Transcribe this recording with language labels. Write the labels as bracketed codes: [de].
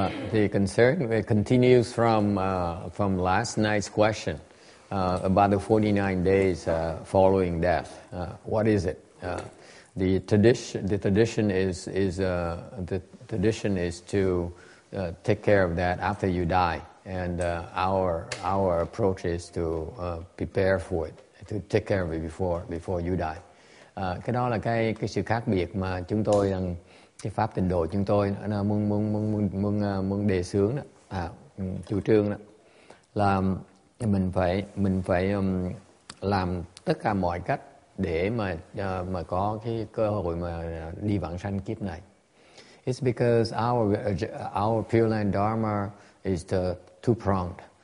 [en] The concern continues from last night's question about the 49 days following death. What is it? The tradition is to take care of that after you die. And our approach is to prepare for it, to take care of it before you die. [vi] Cái đó là cái sự khác biệt mà chúng tôi đang cái pháp tịnh độ chúng tôi nó muốn đề xướng đó, chủ trương đó là mình phải làm tất cả mọi cách để mà có cái cơ hội mà đi vãng sanh kiếp này. [en] It's because our Pure Land Dharma is the two pronged.